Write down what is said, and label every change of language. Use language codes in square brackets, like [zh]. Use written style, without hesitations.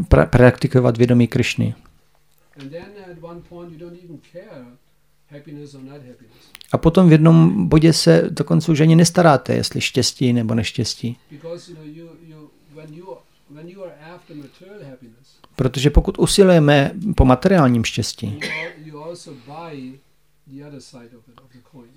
[cs] Praktikovat vědomí Kršny. [en] one point you don't even care happiness or not happiness. [cs] A potom v jednom bodě se dokonce už ani nestaráte, jestli štěstí nebo neštěstí. [en] Because you know, when you are after material happiness. [cs] Protože pokud usilujeme po materiálním štěstí, [en] you also buy the other side of the coin.